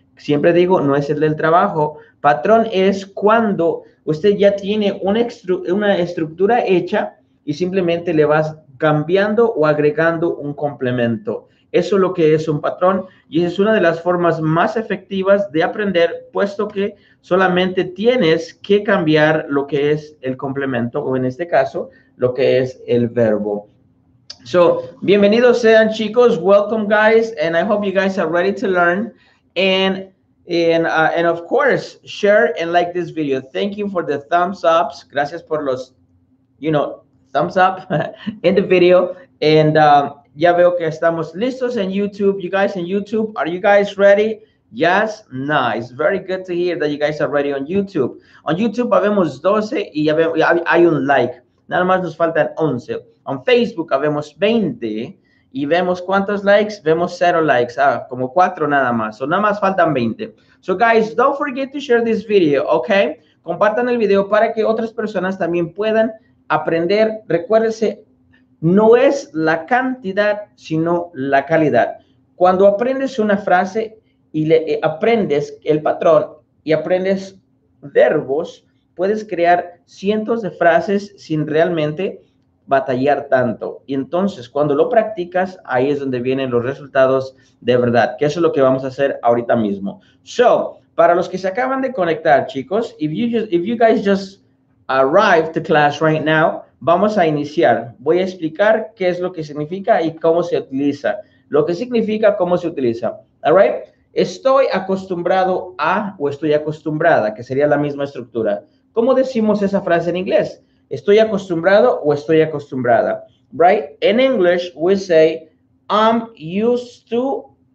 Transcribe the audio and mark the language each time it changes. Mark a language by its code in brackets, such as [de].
[es] Siempre digo, no es el del trabajo. Patrón es cuando usted ya tiene una estructura hecha y simplemente le vas cambiando o agregando un complemento. Eso es lo que es un patrón y es una de las formas más efectivas de aprender, puesto que solamente tienes que cambiar lo que es el complemento o en este caso, lo que es el verbo. [en] So, [es] bienvenidos sean chicos, [en] welcome guys, and I hope you guys are ready to learn and of course, share and like this video. Thank you for the thumbs ups. [es] Gracias por los, [en] thumbs up in the video and [es] ya veo que estamos listos en YouTube. [en] You guys in YouTube, are you guys ready? Yes? Nice. Very good to hear that you guys are ready on YouTube. [es] On YouTube, habemos 12 y ya veo, hay un like. Nada más nos faltan 11. On Facebook, habemos 20 y vemos cuántos likes. Vemos 0 likes. Ah, como 4 nada más. So, nada más faltan 20. [en] So, guys, don't forget to share this video, okay? [es] Compartan el video para que otras personas también puedan aprender. Recuérdense, no es la cantidad, sino la calidad. Cuando aprendes una frase y aprendes el patrón y aprendes verbos, puedes crear cientos de frases sin realmente batallar tanto. Y entonces, cuando lo practicas, ahí es donde vienen los resultados de verdad, que eso es lo que vamos a hacer ahorita mismo. So, para los que se acaban de conectar, chicos, [en] if you guys just arrived to class right now, [es] vamos a iniciar. Voy a explicar qué es lo que significa y cómo se utiliza. Lo que significa, cómo se utiliza. [en] All right? [es] Estoy acostumbrado a o estoy acostumbrada, que sería la misma estructura. ¿Cómo decimos esa frase en inglés? Estoy acostumbrado o estoy acostumbrada. [en] Right? In English, we say, I'm used to.